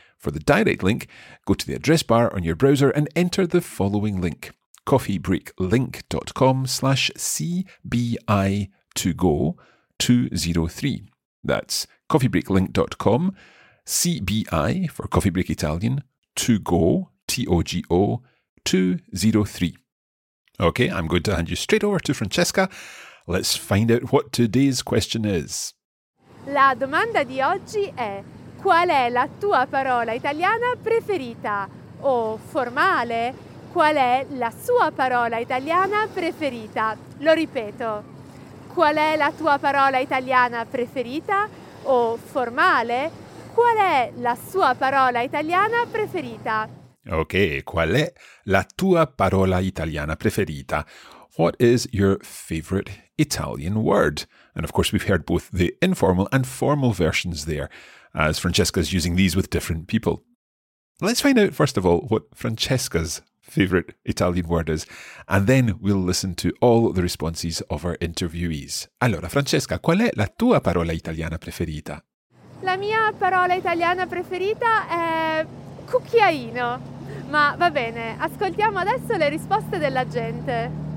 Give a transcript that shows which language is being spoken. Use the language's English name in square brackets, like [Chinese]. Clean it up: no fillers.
[English] For the direct link, go to the address bar on your browser and enter the following link, coffeebreaklink.com/CBI2Go203. That's coffeebreaklink.com, CBI for Coffee Break Italian, to go, T-O-G-O, 203. Okay, I'm going to hand you straight over to Francesca. Let's find out what today's question is. [Italian] La domanda di oggi è: qual è la tua parola italiana preferita? O formale, qual è la sua parola italiana preferita? Lo ripeto. Qual è la tua parola italiana preferita? O formale, qual è la sua parola italiana preferita? Ok, qual è la tua parola italiana preferita? [English] What is your favorite Italian word? And of course, we've heard both the informal and formal versions there, as Francesca's using these with different people. Let's find out, first of all, what Francesca's favorite Italian word is, and then we'll listen to all the responses of our interviewees. [Italian] Allora, Francesca, qual è la tua parola italiana preferita? La mia parola italiana preferita è cucchiaino. Ma va bene, ascoltiamo adesso le risposte della gente.